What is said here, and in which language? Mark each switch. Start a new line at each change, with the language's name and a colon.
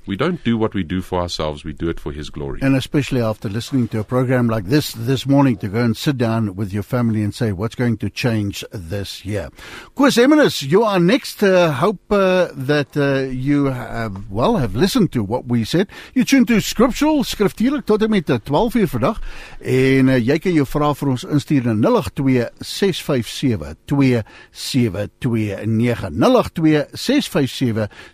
English: We don't do what we do for ourselves, we do it for his glory. And especially after listening to a program like this morning, to go and sit down with your family and say, what's going to change this year? Chris Eminis, you are next. Hope that you have, well, have listened to what we said. You tune to Scriptural,
Afrikaans: Skriftuurlik, tot en met 12 uur vandag. En jy kan jou vraag vir ons instuur na 082-657-2729. 082-657-2729.